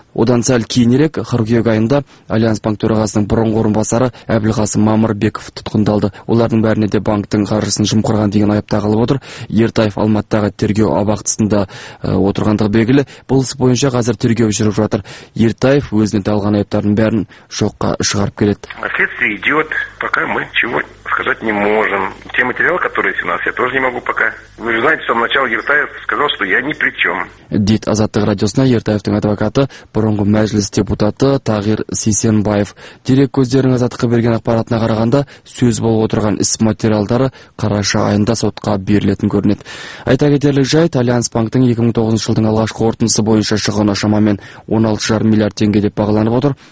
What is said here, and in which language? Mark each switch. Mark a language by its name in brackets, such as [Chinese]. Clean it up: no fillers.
[Kazakh] Одан сәл кейінірек, қыркүйек айында Альянс банк төрағасының бұрынғы орынбасары Әбілғасым Мамырбеков тұтқындалды. Олардың бәріне де банктің қаржысын жымқырған деген айып тағылып отыр. Ертаев Алматыдағы тергеу абақтысында отырғандығы белгілі. Бұл іс бойынша қазір тергеу жүріп жатыр. Ертаев өзіне тағылған айыптардың бәрін жоққа шығарып келеді. [Russian] Следствие идет, пока мы чего сказать не можем. Те материалы, которые есть у нас, я тоже не могу пока. Вы же знаете, с самого начала Ертаев сказал, что я ни при чем. [Kazakh] Дит Азаттық радиосына Ертаевтың адвокаты, бұрынғы мәжіліс депутаты Тағир Сейсенбаев. Дерек көздерінің Азаттыққа берген ақпаратына қарағанда, сөз болып отырған іс материалдары қараша айында сотқа берілетін көрінеді. Айта кетерлік жайт, Альянс банктің 2009 жылдың алғашқы қорытындысы бойынша шығыны шамамен 16,5 миллиард теңге деп бағаланып отыр.